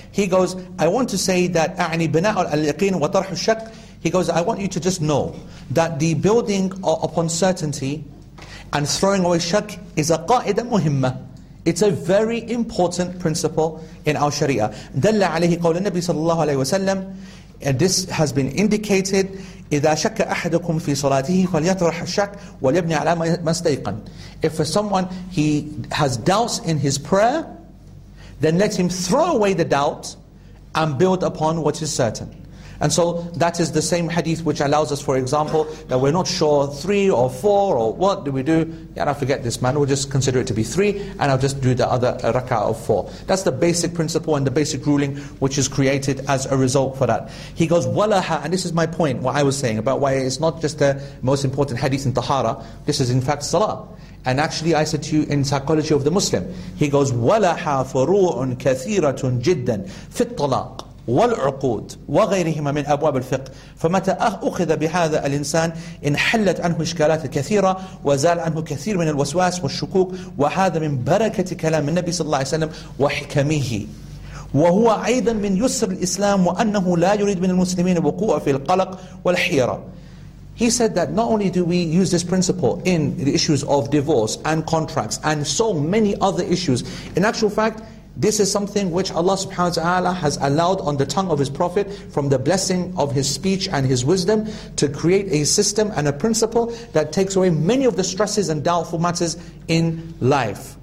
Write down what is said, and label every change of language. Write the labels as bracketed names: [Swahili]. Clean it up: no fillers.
[English] He goes, I want to say that [Arabic] أعني بناء اليقين وطرح الشك. [English] He goes, I want you to just know that the building upon certainty and throwing away shak is a [Arabic] قاعدة مهمة. [English] It's a very important principle in our Sharia. [Arabic] دل عليه قول النبي صلى الله عليه وسلم. [English] And this has been indicated. [Arabic] إذا شك أحدكم في صلاته فليطرح الشك وليبني على ما استيقن. [English] If someone he has doubts in his prayer, then let him throw away the doubt and build upon what is certain. And so that is the same hadith which allows us, for example, that we're not sure 3 or 4 or what do we do? Yeah, I forget this man. We'll just consider it to be 3 and I'll just do the other rak'ah of 4. That's the basic principle and the basic ruling which is created as a result for that. He goes, walaha, and this is my point, what I was saying about why it's not just the most important hadith in Tahara. This is in fact salah. And actually I said to you in psychology of the Muslim, he goes, [Arabic] walaha furu'un kathiratun jiddan fit talaq. والعقود وغيرهما من أبواب الفقه. فمتى أخذ بهذا الإنسان انحلت عنه إشكالات كثيرة وزال عنه كثير من الوسواس والشكوك. وهذا من بركة كلام النبي صلى الله عليه وسلم وحكمه. وهو أيضا من يسر الإسلام وأنه لا يريد من المسلمين الوقوع في القلق والحيرة. [English] He said that not only do we use this principle in the issues of divorce and contracts and so many other issues, in actual fact, this is something which Allah subhanahu wa ta'ala has allowed on the tongue of His Prophet from the blessing of His speech and His wisdom to create a system and a principle that takes away many of the stresses and doubtful matters in life.